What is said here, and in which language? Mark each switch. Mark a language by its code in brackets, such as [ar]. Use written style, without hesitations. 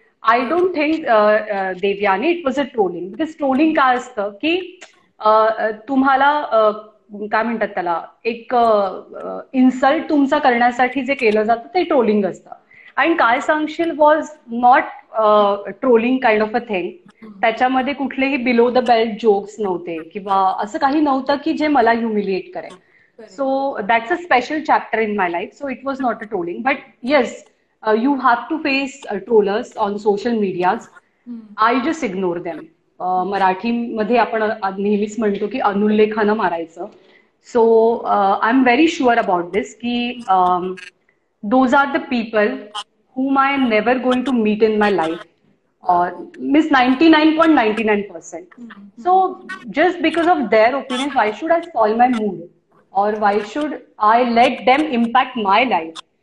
[en] I don't think देव्याने it was a trolling, [mr] because trawling काय असतं की तुम्हाला काय म्हणतात त्याला, एक इन्सल्ट तुमचा करण्यासाठी जे केलं जातं ते ट्रोलिंग असतं. [en] and [mr] काय सांगशील [en] Was not trolling kind of a thing. [mr] त्याच्यामध्ये कुठलेही बिलो द बेल्ट जोक्स नव्हते किंवा असं काही नव्हतं की जे मला ह्युमिलिएट करेल. [en] So that's a special chapter in my life. So it was not a trolling, but yes you have to face trollers on social medias. I just ignore them. [mr] मराठीमध्ये आपण नेहमीच म्हणतो की अनुल्लेखानं मारायचं. [en] So I am very sure about this की those are the people whom I am never going to meet in my life, means 99.99%. So just because of their opinion why should I spoil my mood or why should I let them impact my life.